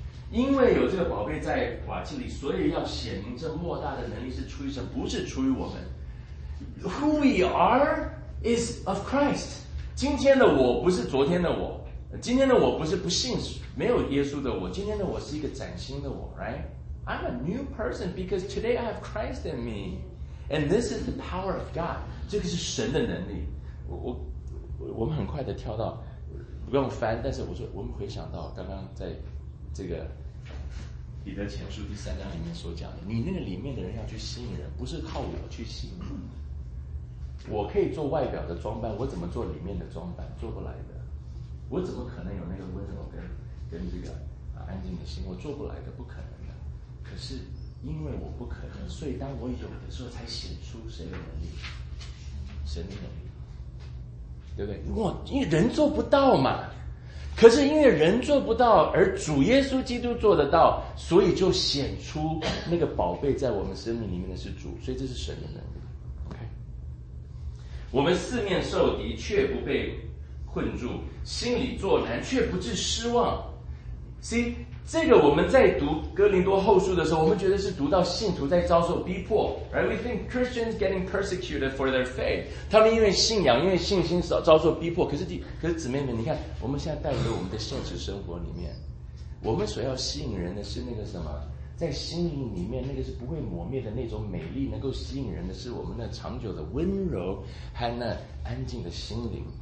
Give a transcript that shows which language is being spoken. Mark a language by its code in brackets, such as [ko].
[zh] 因为有这个宝贝在瓦器里，所以要显明这莫大的能力是出于神，不是出于我们。 [en] Who we are is of Christ。 [zh] 今天的我不是昨天的我，今天的我不是不信没有耶稣的我，今天的我是一个崭新的我 ，right？ [en] I'm a new person because today I have Christ in me。 And this is the power of God. [zh] 这个是神的能力。我们很快的跳到，不用翻。但是我们回想到刚刚在这个彼得前书第三章里面所讲的，你那个里面的人要去吸引人，不是靠我去吸引人。我可以做外表的装扮，我怎么做里面的装扮？做不来的。我怎么可能有那个温柔跟这个安静的心？我做不来的，不可能的。可是。因为我不可能，所以当我有的时候才显出谁的能力，神的能力，对不对？因为人做不到嘛，可是因为人做不到，而主耶稣基督做得到，所以就显出那个宝贝在我们生命里面的是主，所以这是神的能力。 OK， 我们四面受敌却不被困住，心里作难却不致失望。 [en] See。 [zh] 这个我们在读哥林多后书的时候，我们觉得是读到信徒在遭受逼迫 ，right? [en] We think Christians getting persecuted for their faith. [zh] 他们因为信仰、因为信心遭受逼迫。可是姊妹们，你看，我们现在带回我们的现实生活里面，我们所要吸引人的是那个什么，在心灵里面那个是不会磨灭的那种美丽，能够吸引人的是我们那长久的温柔和那安静的心灵。